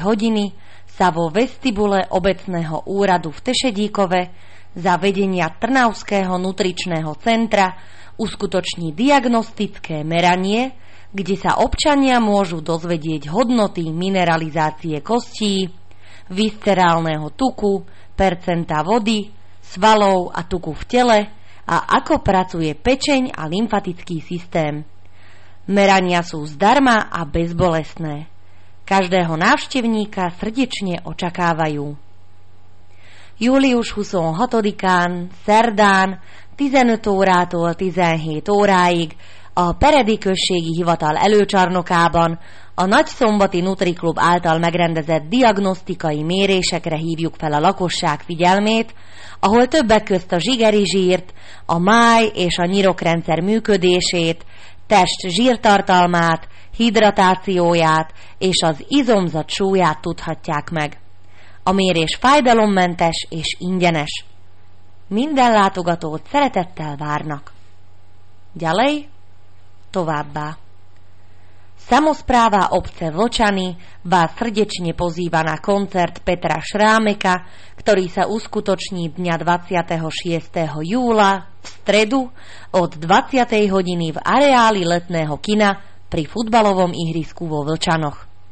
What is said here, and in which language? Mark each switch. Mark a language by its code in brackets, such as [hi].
[sk] hodiny sa vo vestibule obecného úradu v Tešedíkove za vedenia Trnavského nutričného centra uskutoční diagnostické meranie, kde sa občania môžu dozvedieť hodnoty mineralizácie kostí, viscerálneho tuku, percenta vody, svalov a tuku v tele a ako pracuje pečeň a lymfatický systém. Merania sú zdarma a bezbolestné. Každého návštevníka srdečne očakávajú. [hu] Július Huszon hatodikán, szerdán, 15-órától 17 óráig a Peredi községi hivatal előcsarnokában a Nagyszombati Nutri Klub által megrendezett diagnosztikai mérésekre hívjuk fel a lakosság figyelmét, ahol többek közt a zsigeri zsírt, a máj és a nyirokrendszer működését, test zsírtartalmát, hidratációját és az izomzat súlyát tudhatják meg. A mérés fájdalommentes és ingyenes. Minden látogatót szeretettel várnak. Gyalej, továbbá. [sk] Samospráva obce Vlčany vás srdečne pozýva na koncert Petra Šrámeka, ktorý sa uskutoční dňa 26. júla v stredu od 20. hodiny v areáli letného kina pri futbalovom ihrisku vo Vlčanoch.